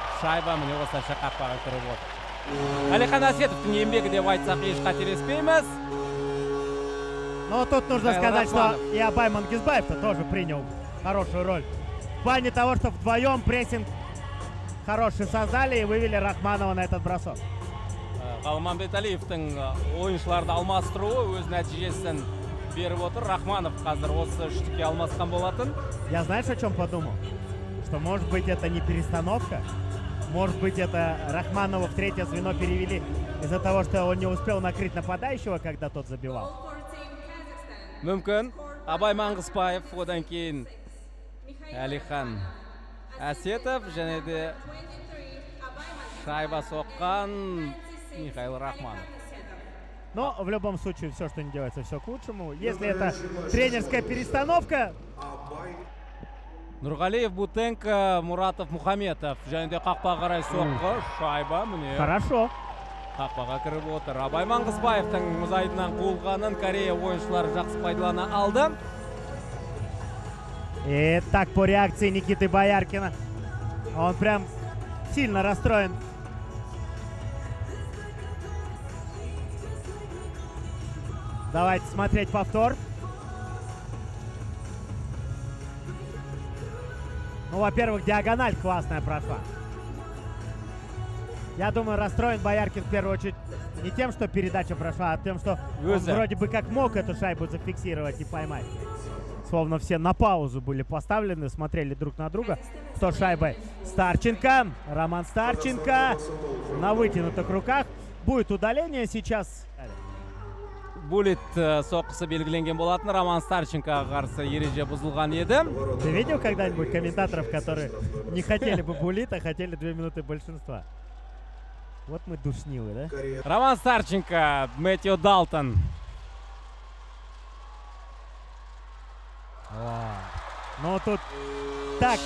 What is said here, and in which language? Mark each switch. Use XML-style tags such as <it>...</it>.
<kk>Шайба мне осы шақпаға кіріп отыр. Алихан Асетовтың еңбегі деп айтсақ еш қателеспейміз.</kk> <ru>Но тут нужно сказать, что и Абай Мангизбаев-то тоже принял хорошую роль. В плане того, что вдвоем прессинг хороший создали и вывели Рахманова на этот бросок.</ru> <kk>Галмамбет Алиевтің ойыншыларды алмастыруы өз нәтижесін беріп отыр. Рахманов қазір осы үштікке алмасқан болатын.</kk> <ru>Я знаешь, о чем подумал? Что может быть это не перестановка? Может быть, это Рахманова в третье звено перевели из-за того, что он не успел накрыть нападающего, когда тот забивал.</ru> <kk>Мүмкін. Абай Маңғызбаев, одан кейін Алихан Асетов, және де шайба соққан Михаил Рахманов.</kk> <ru>Но в любом случае, все, что не делается, все к лучшему. Если это тренерская перестановка...</ru> <kk>Нурғалиев, Бутенко, Муратов, Мухаметов. Және де қақпаға қарай соққы. Шайба міне.</kk> <ru>Хорошо.</ru> <kk>Қақпаға кіріп отыр. Абай Маңғызбаевтың мұзайдынан қуылғанын Корея ойыншылары жақсы пайдалана алды.</kk> <ru>Итак, по реакции Никиты Бояркина. Он прям сильно расстроен. Давайте смотреть повтор. Ну, во-первых, диагональ классная прошла. Я думаю, расстроен Бояркин в первую очередь не тем, что передача прошла, а тем, что он вроде бы как мог эту шайбу зафиксировать и поймать. Словно все на паузу были поставлены, смотрели друг на друга. Кто шайбой? Старченко. Роман Старченко. На вытянутых руках. Будет удаление сейчас.</ru> <kk>Булит соққысы белгіленген болатын. Роман Старченко қарсы ереже бұзылған еді.</kk> <ru>Ты видел когда-нибудь комментаторов, которые не хотели бы булит, а хотели 2 минуты большинства? Вот мы душнилы, да? Роман Старченко, Мэтью Далтон. Ну тут так</ru>